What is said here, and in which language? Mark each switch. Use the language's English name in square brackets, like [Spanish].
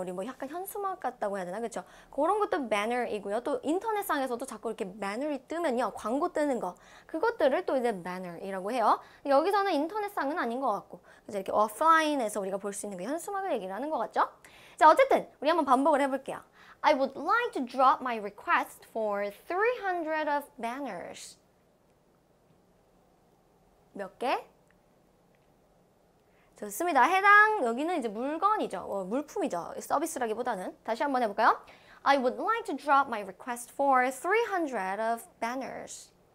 [Korean] 우리 뭐 약간 현수막 같다고 해야 되나? 그렇죠? 그런 것도 banner이고요. 또 인터넷상에서도 자꾸 이렇게 banner이 뜨면요, 광고 뜨는 거, 그것들을 또 이제 banner이라고 해요. 여기서는 인터넷상은 아닌 것 같고, 그래서 이렇게 offline에서 우리가 볼 수 있는 게 현수막을 얘기를 하는 것 같죠? 자, 어쨌든 우리 한번 반복을 해볼게요. [English] I would like to drop my request for 300 of banners. [Korean] 몇 개? 좋습니다. 해당 여기는 이제 물건이죠. 물품이죠. 서비스라기보다는. 다시 한번 해볼까요? [English] I would like to drop my request for 300 of banners.